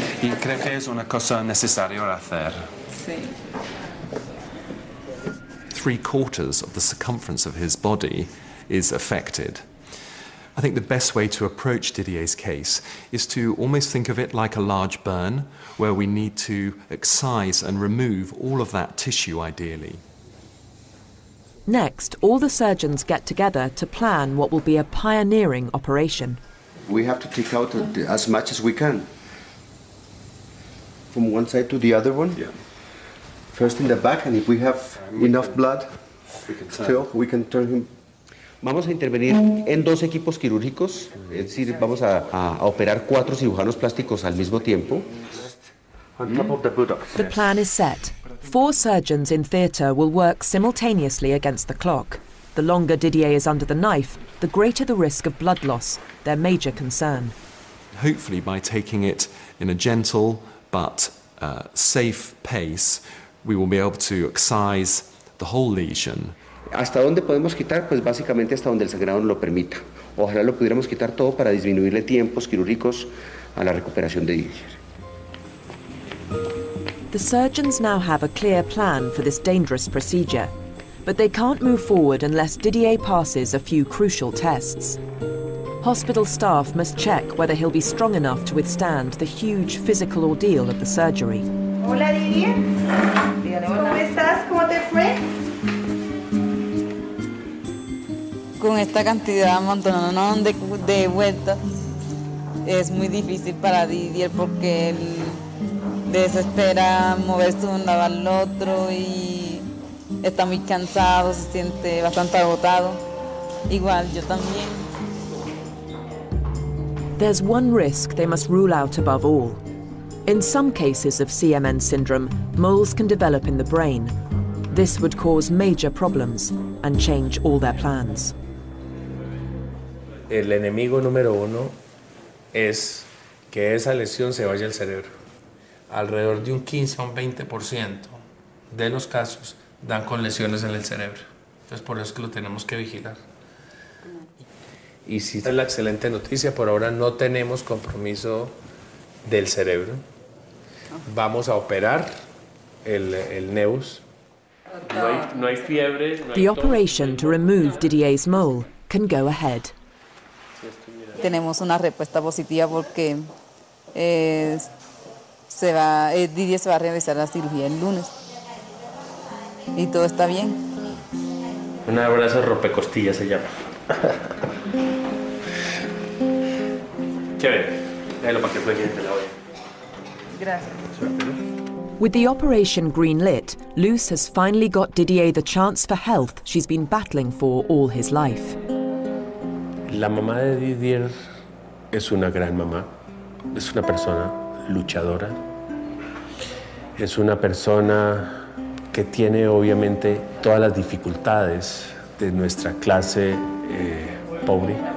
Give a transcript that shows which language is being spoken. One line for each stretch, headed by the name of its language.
Spanish: Y creo que es una cosa necesaria hacer. Sí.
English: Three quarters of the circumference of his body is affected. I think the best way to approach Didier's case is to almost think of it like a large burn, where we need to excise and remove all of that tissue ideally. Next, all the surgeons get together to plan what will be a pioneering operation. We have to take out as much as we can, from one side to the other one. Yeah. First in the back, and if we have enough blood, we can still, we can turn him.
Spanish: Vamos a intervenir en dos equipos quirúrgicos, es decir, vamos a operar cuatro cirujanos plásticos al mismo tiempo.
English: The plan is set. Four surgeons in theater will work simultaneously against the clock. The longer Didier is under the knife, the greater the risk of blood loss, their major concern. Hopefully, by taking it in a gentle but safe pace, we will be able to excise the whole lesion.
Spanish: ¿Hasta dónde podemos quitar? Pues básicamente hasta donde el sangrado no lo permita. Ojalá lo pudiéramos quitar todo para disminuirle tiempos quirúrgicos a la recuperación de Didier.
English: The surgeons now have a clear plan for this dangerous procedure, but they can't move forward unless Didier passes a few crucial tests. Hospital staff must check whether he'll be strong enough to withstand the huge physical ordeal of the surgery.
Spanish: Hola, Didier. ¿Cómo estás? ¿Cómo te fue? Con esta cantidad amontonada de vueltas, es muy difícil para Didier porque él desespera moverse de un lado al otro y está muy cansado, se siente bastante agotado. Igual, yo también.
English: There's one risk they must rule out above all. In some cases of CMN syndrome, moles can develop in the brain. This would cause major problems and change all their plans.
Spanish: El enemigo número uno es que esa lesión se vaya al cerebro. Alrededor de un 15 a un 20% de los casos dan con lesiones en el cerebro. Entonces, por eso es que lo tenemos que vigilar. Y si es la excelente noticia, por ahora no tenemos compromiso del cerebro. Vamos a operar el neus. No hay fiebre.
English: The operation to remove Didier's mole can go ahead.
Spanish: Tenemos una respuesta positiva porque Didier se va a realizar la cirugía el lunes. Y todo está bien. Un abrazo rompecostilla se llama.
English: With the operation green lit, Luce has finally got Didier the chance for health she's been battling for all his life.
Spanish: La mamá de Didier es una gran mamá. Es una persona luchadora. Es una persona que tiene obviamente todas las dificultades de nuestra clase pobre.